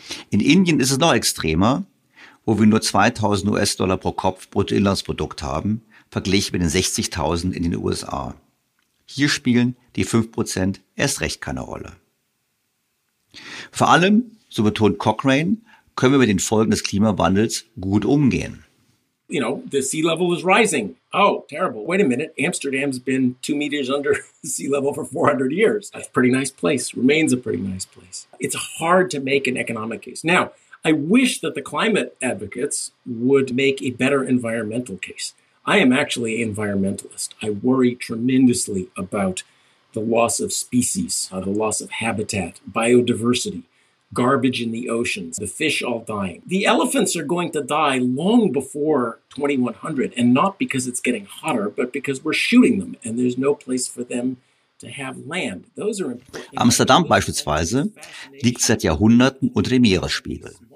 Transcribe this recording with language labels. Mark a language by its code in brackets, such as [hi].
[de] In Indien ist es noch extremer, wo wir nur 2.000 US-Dollar pro Kopf Bruttoinlandsprodukt haben, verglichen mit den 60.000 in den USA. Hier spielen die 5% erst recht keine Rolle. Vor allem, so betont Cochrane, können wir mit den Folgen des Klimawandels gut umgehen. [en] You know, the sea level is rising. Oh, terrible. Wait a minute. Amsterdam's been 2 meters under sea level for 400 years. That's a pretty nice place. Remains a pretty nice place. It's hard to make an economic case. Now, I wish that the climate advocates would make a better environmental case. I am actually an environmentalist. I worry tremendously about the loss of species, the loss of habitat, biodiversity, garbage in the oceans, the fish all dying. The elephants are going to die long before 2100, and not because it's getting hotter, but because we're shooting them and there's no place for them to have land. Those are important. [de] Amsterdam beispielsweise liegt seit Jahrhunderten unter dem Meeresspiegel.